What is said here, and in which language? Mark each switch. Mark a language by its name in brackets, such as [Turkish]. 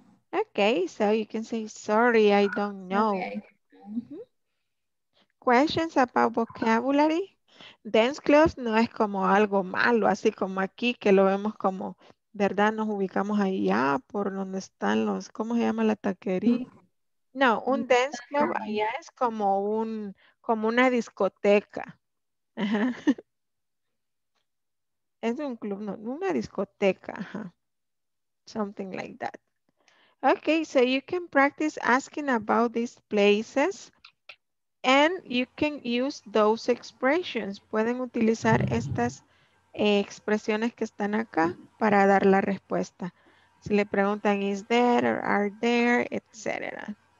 [English] Okay, so you can say, sorry, I don't know. Okay. Questions about vocabulary? [Spanish] Dance clubs no es como algo malo, así como aquí que lo vemos como... ¿Verdad? Nos ubicamos allá por donde están los, ¿cómo se llama la taquería? No, un dance club allá es como un, como una discoteca. Ajá. Es un club, no, una discoteca. Ajá. [English] Something like that. Okay, so you can practice asking about these places and you can use those expressions. [Spanish] Pueden utilizar estas expresiones que están acá para dar la respuesta. Si le preguntan, [English] is there or are there, etc.